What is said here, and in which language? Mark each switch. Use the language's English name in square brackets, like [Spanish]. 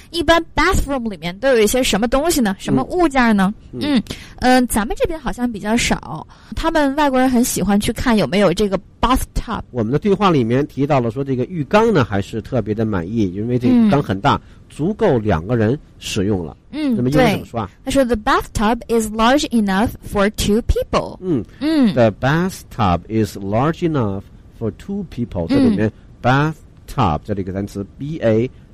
[Chinese] 一般 bathroom 里面都有一些什么东西呢？什么物件呢？咱们这边好像比较少，他们外国人很喜欢去看有没有这个 bathtub。我们的对话里面提到了说这个浴缸呢还是特别的满意，因为这个缸很大，足够两个人使用了。那么英文怎么说啊？ [English] 他说 the bathtub is large enough for two people。 the bathtub is large enough for two people。 [Chinese] 这里面 bathtub 这里一个单词 bathtub。